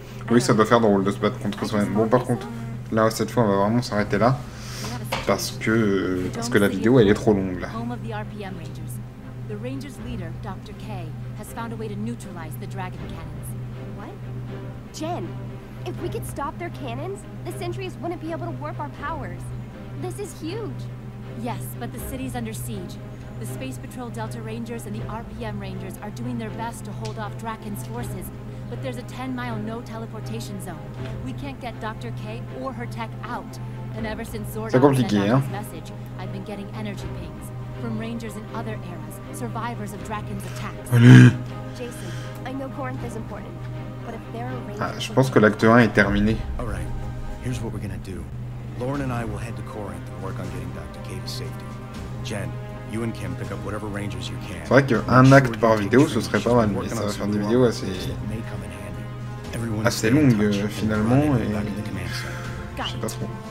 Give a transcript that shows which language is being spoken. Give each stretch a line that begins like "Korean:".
French: oui, ça doit faire drôle de se battre contre soi-même. Bon, par contre, là, cette fois, on va vraiment s'arrêter là. Parce que la vidéo, elle est trop longue, là.
English: Home of the RPM Rangers. The Rangers leader, Dr. K, has found a way to neutralize the dragon cannons. What? Jen, if we could stop their cannons, the sentries wouldn't be able to warp our powers. This is huge. Yes, but the city's under siege. The Space Patrol Delta Rangers and the RPM Rangers are doing their best to hold off Draken's forces, but there's a 10-mile no-teleportation zone. We can't get Dr. K or her tech out. And ever since Zordon sent out his message, I've been getting energy pings from Rangers in other eras, survivors of Draken's attacks. Jason, I know Corinth is important, but if there are Rangers...
French: Ah, je pense que l'acte 1 est terminé.
English: Alright, here's what we're gonna do. Lauren and I will head to Corinth and work on getting Dr. K to safety. Jen... You and Kim pick up whatever rangers you can.
French: C'est vrai qu'un acte par vidéo, ce serait pas mal, mais ça va faire des vidéos assez longues, finalement, et... Je sais pas trop.